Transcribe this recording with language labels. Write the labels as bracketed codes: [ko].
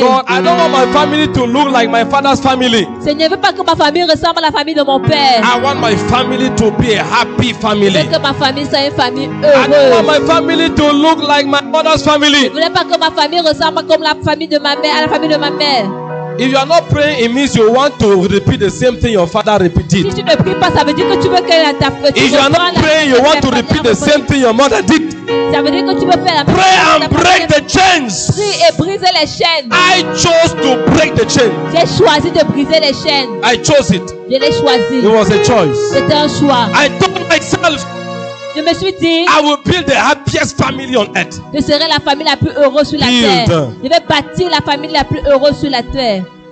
[en] Oh God, I don't want my family to look like my father's family. [fr] Seigneur, je veux pas que ma famille ressemble à la famille de mon père. [en] I want my family to be a happy family. [fr] Je veux que ma famille soit une famille heureuse. [en] I don't want my family to look like my mother's family. [fr] Je voulais pas que ma famille ressemble comme la famille de ma mère à la famille de ma mère. [en] If you are not praying, it means you want to repeat the same thing your father repeated. [fr] Si tu ne pries pas, ça veut dire que tu veux que ta [en] If you are not praying, you want to repeat the same thing your mother did. [fr] Ça veut dire que tu veux faire la [en] Pray and break the chains. [fr] Prie et brise les chaînes. [en] I chose to break the chains. [fr] J'ai choisi de briser les chaînes. [en] I chose it. [fr] Je l'ai choisi. [en] It was a choice. [fr] C'était un choix. [en] I told myself. [fr] Je me suis dit. [en] I will build the happiest family on earth. [fr] Je serai la famille la plus heureuse sur la terre. Je vais bâtir la famille la plus heureuse sur la terre.